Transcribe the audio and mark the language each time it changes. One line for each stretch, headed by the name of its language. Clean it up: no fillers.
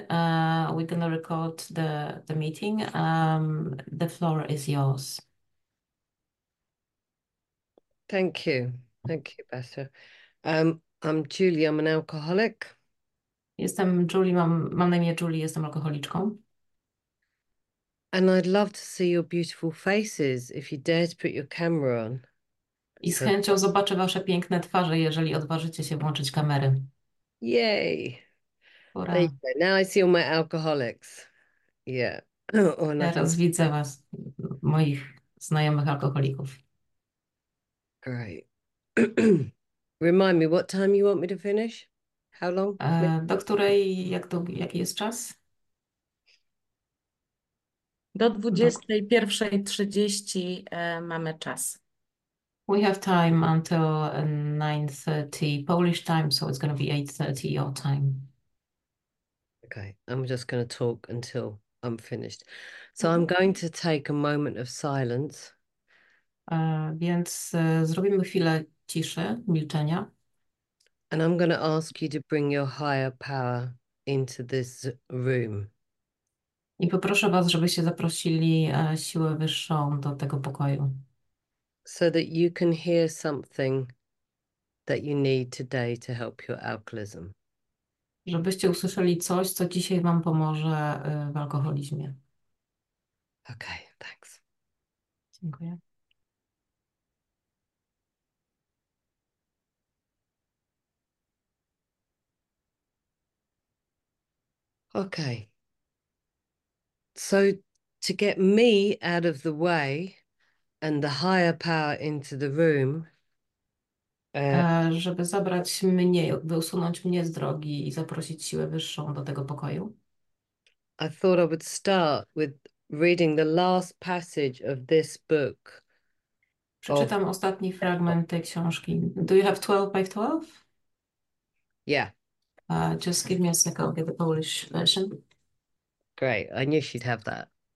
English: We're gonna record the meeting. The floor is yours. Thank you. Thank you, Bessa. I'm Julie, I'm an alcoholic.
Polish: Jestem Julie, mam na imię Julie, jestem alkoholiczką.
English: And I'd love to see your beautiful faces if you dare to put your camera on.
Polish: I z
English: So.
Polish: chęcią zobaczę wasze piękne twarze, jeżeli odważycie się włączyć kamery.
English: Yay. There you go. Now I see all my alcoholics. Yeah. Oh, and I don't.
Polish: Teraz widzę was, moich znajomych alkoholików.
English: Great. Remind me, what time you want me to finish? How long?
Polish: Do której, jaki jest czas? Do Dok 21:30 mamy czas.
English: We have time until 9:30 Polish time, so it's going to be 8:30 your time. Okay, I'm just going to talk until I'm finished. So I'm going to take a moment of silence.
Polish: Więc zrobimy chwilę ciszy, milczenia.
English: And I'm going to ask you to bring your higher power into this room.
Polish: I poproszę was, żebyście zaprosili siłę wyższą do tego pokoju.
English: So that you can hear something that you need today to help your alcoholism.
Polish: Żebyście usłyszeli coś, co dzisiaj wam pomoże w alkoholizmie.
English: Okay, thanks.
Polish: Dziękuję.
English: Okay. So to get me out of the way and the higher power into the room,
Polish: Żeby zabrać mnie, by usunąć mnie z drogi i zaprosić siłę wyższą do tego pokoju.
English: I thought I would start with reading the last passage of this book of
Polish: Przeczytam ostatni fragment tej książki.
English: Do you have 12 by 12? yeah. Just give me a second, I'll get the Polish version. Great, I knew she'd have that.